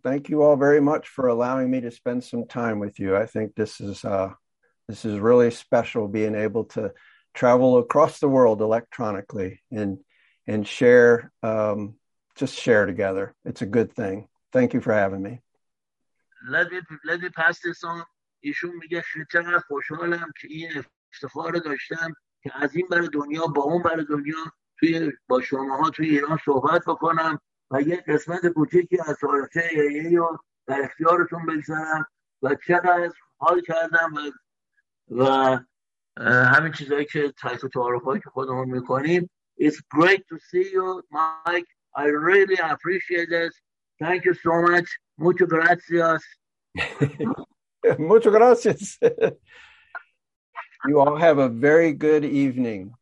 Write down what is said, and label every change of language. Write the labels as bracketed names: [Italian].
[English] Thank you all very much for allowing me to spend some time with you. I think this is really special, being able to travel across the world electronically and share, just share together. It's a good thing. Thank you for having me. Let me pass this on. [Persian] ایشون میگه چقدر خوشحالم که این افتخار داشتم که از این بر دنیا با اون بر دنیا توی با شماها توی ایران صحبت بکنم و یه قسمت کوچیکی از تاریخ ایه رو در اختیارتون بگذارم و چقدر حال کردم و همین چیزهایی که تایتو تعارفهایی که خودمون میکنیم. [English] It's great to see you, Mike. I really appreciate it. Thank you so much. [Spanish] Mucho gracias. Mucho gracias. [English] You all have a very good evening.